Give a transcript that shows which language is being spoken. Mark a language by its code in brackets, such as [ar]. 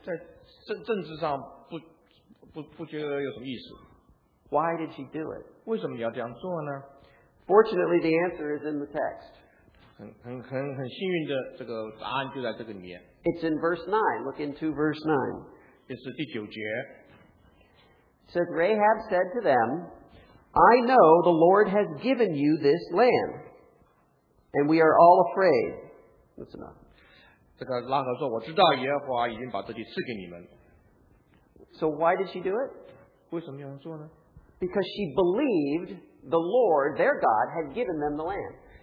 [zh] 在政治上不觉得有什么意思。 [en] Why did she do it? [zh] 为什么你要这样做呢？ [en] Fortunately, the answer is in the text. [zh] 很幸运的这个答案就在这个里面。 [en] It's in verse 9. Look into verse 9. [zh] 这是第九节。 [en] Says Rahab said to them, I know the Lord has given you this land, and we are all afraid. That's enough. [zh] 这个拉合说，我知道耶和华已经把这地赐给你们。 [en] So why did she do it? [zh] 为什么要做呢？ [en] Because she believed the Lord, their God, had given them the land.